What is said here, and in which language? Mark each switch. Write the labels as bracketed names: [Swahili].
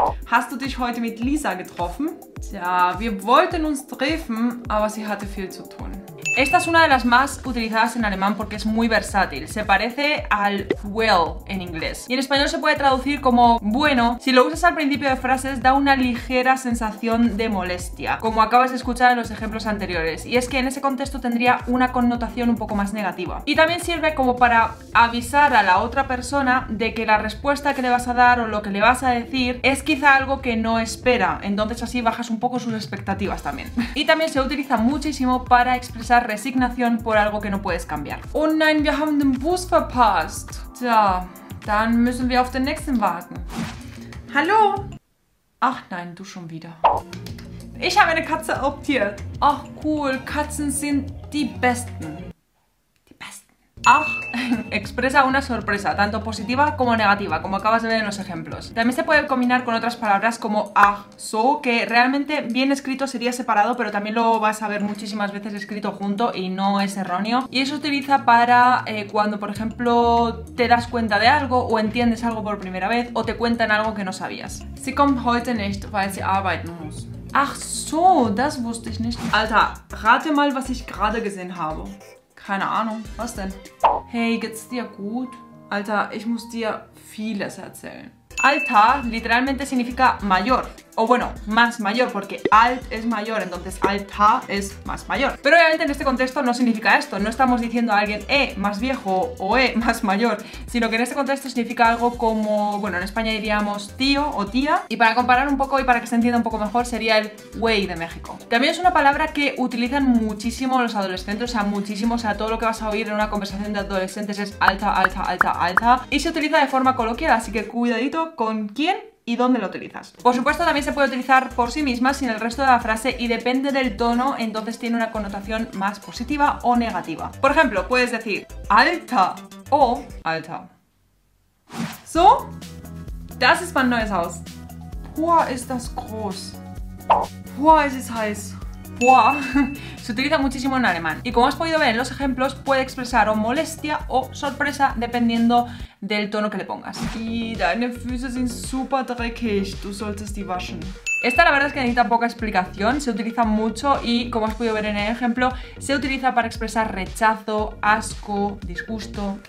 [German] Hast du dich heute mit Lisa getroffen? Tja, wir wollten uns treffen, aber sie hatte viel zu tun. [Spanish] Esta es una de las más utilizadas en alemán porque es muy versátil. Se parece al well en inglés. Y en español se puede traducir como bueno. Si lo usas al principio de frases, da una ligera sensación de molestia, como acabas de escuchar en los ejemplos anteriores. Y es que en ese contexto tendría una connotación un poco más negativa. Y también sirve como para avisar a la otra persona de que la respuesta que le vas a dar o lo que le vas a decir es quizá algo que no espera. Entonces así bajas un poco sus expectativas también. Y también se utiliza muchísimo para expresar Resignación por algo que no puedes cambiar. [German] Oh nein, wir haben den Bus verpasst. Tja, dann müssen wir auf den nächsten warten. Hallo? Ach nein, du schon wieder. Ich habe eine Katze adoptiert. Ach cool, Katzen sind die besten. [Spanish] Ah, expresa una sorpresa, tanto positiva como negativa, como acabas de ver en los ejemplos. También se puede combinar con otras palabras como ah, so, que realmente bien escrito sería separado, pero también lo vas a ver muchísimas veces escrito junto y no es erróneo. Y eso se utiliza para cuando, por ejemplo, te das cuenta de algo o entiendes algo por primera vez o te cuentan algo que no sabías. [German] Sie kommt heute nicht, weil sie arbeiten muss. Ach so, das wusste ich nicht. Alter, rate mal, was ich gerade gesehen habe. Keine Ahnung, was denn? Hey, geht's dir gut? Alter, ich muss dir vieles erzählen. [Spanish] Alter literalmente significa mayor, o bueno, más mayor, porque alt es mayor, entonces alta es más mayor. Pero obviamente en este contexto no significa esto, no estamos diciendo a alguien más viejo o más mayor, sino que en este contexto significa algo como, bueno, en España diríamos tío o tía, y para comparar un poco y para que se entienda un poco mejor sería el güey de México. También es una palabra que utilizan muchísimo los adolescentes, o sea, todo lo que vas a oír en una conversación de adolescentes es alta, alta, alta, alta, y se utiliza de forma coloquial, así que cuidadito con quién y dónde lo utilizas. Por supuesto, también se puede utilizar por sí misma, sin el resto de la frase, y depende del tono, entonces tiene una connotación más positiva o negativa. Por ejemplo, puedes decir alta o alta. [German] So, das ist mein neues Haus. Boah, ist das groß. Boah, es ist heiß. Boah. [Spanish] Se utiliza muchísimo en alemán. Y como has podido ver en los ejemplos, puede expresar o molestia o sorpresa dependiendo del tono que le pongas. [German] Y deine Füße sind super dreckig. Du solltest die waschen. [Spanish] Esta la verdad es que necesita poca explicación, se utiliza mucho y, como has podido ver en el ejemplo, se utiliza para expresar rechazo, asco, disgusto.